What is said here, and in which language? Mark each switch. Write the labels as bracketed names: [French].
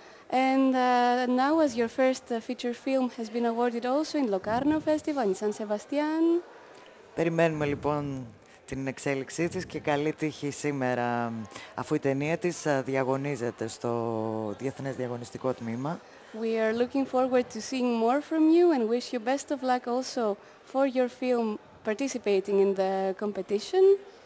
[English] And now, as your first feature film has been awarded also in Locarno Festival in San Sebastian. [Greek] Περιμένουμε λοιπόν την εξέλιξή της και καλή τύχη σήμερα, αφού η ταινία της διαγωνίζεται στο Διεθνές Διαγωνιστικό Τμήμα. [English] We are looking forward to seeing more from you and wish you best of luck also for your film participating in the competition.